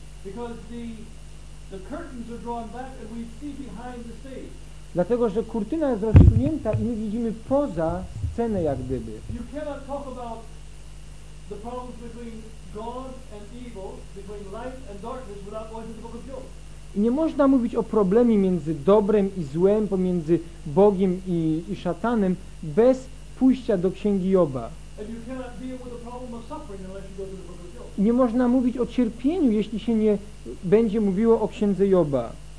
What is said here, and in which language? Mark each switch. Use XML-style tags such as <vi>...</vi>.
<en>Because the curtains are drawn back and we see behind the stage.</en> <pl>Dlatego, że kurtyna jest rozsunięta i my widzimy poza scenę, jak gdyby.</pl> <en>You cannot talk about the problems between God and evil, between light and darkness without going to the book of Job.</en> <pl>I nie można mówić o problemie między dobrem i złem, pomiędzy Bogiem i szatanem, bez pójścia do Księgi Joba.</pl> <en>And you cannot deal with the problem of suffering unless you go to the book of Job.</en> <pl>I nie można mówić o cierpieniu, jeśli się nie będzie mówiło o Księdze Joba.</pl>